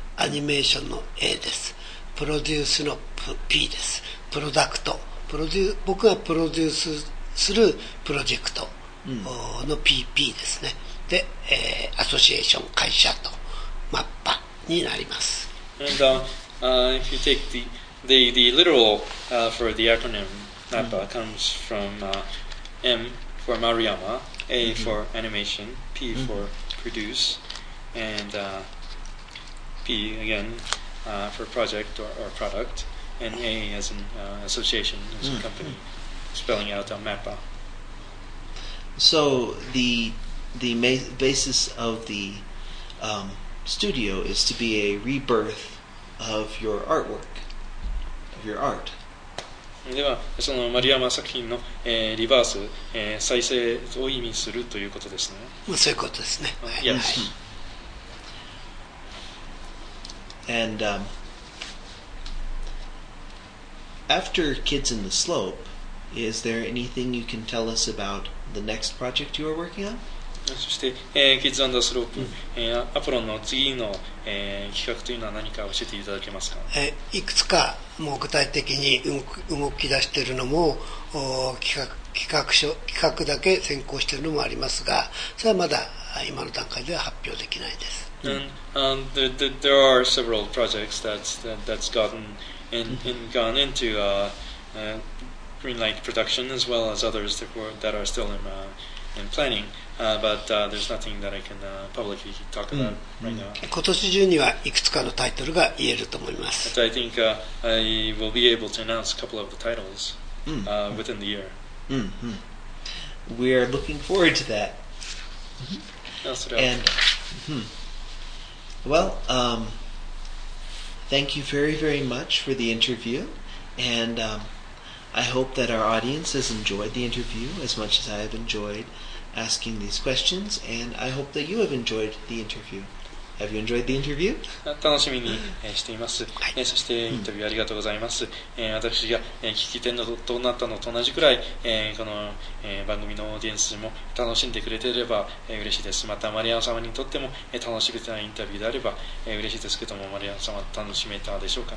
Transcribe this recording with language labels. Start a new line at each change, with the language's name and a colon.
Japanese: アニメーションの A です。プロデュースの P です。プロダクト、僕がプロデュースするプロジェクトの PP ですね。で、アソシエーション、会社とマッパになります。
English: And if you take the literal for the acronym MAPPA comes from M for Maruyama, A for animation, P for produce, and P again for project or product, and A as an association, as a company, spelling out MAPPA. So the basis of the studio is to be a rebirth of your artwork. Your art.
Japanese: ではそのマリアマ作品の、リバース、再生を意味するということですね。そういうことですね。
English: Yes. And after Kids in the Slope, is there anything you can tell us about the next project you are working on?
Japanese: そして、Kids on the Slope、アポロンの次の、企画というのは何か教えていただけますか。いくつかもう具体的に動き出しているのも企画だけ先行しているのもありますが、それはまだ今の段階では発表できないです。
English: There are several projects that's gone into Greenlight production as well as others that are still in planning. There's nothing that I can publicly talk about right now.
Japanese: 今年中にはいくつかのタイトルが言えると思います。
English: But I think I will be able to announce a couple of the titles within the year. We are looking forward to that. And well, thank you very, very much for the interview. And I hope that our audience has enjoyed the interview as much as I have enjoyed. Asking these questions, and I hope that you have enjoyed the interview. Have you enjoyed the interview?
Japanese: 楽しみにしています。そしてインタビューありがとうございます。私が聞き手のとなったのと同じくらい、この番組のオーディエンスも楽しんでくれていれば嬉しいです。またマリアン様にとっても楽しめたインタビューであれば嬉しいですけども、マリアン様楽しめたでしょうか。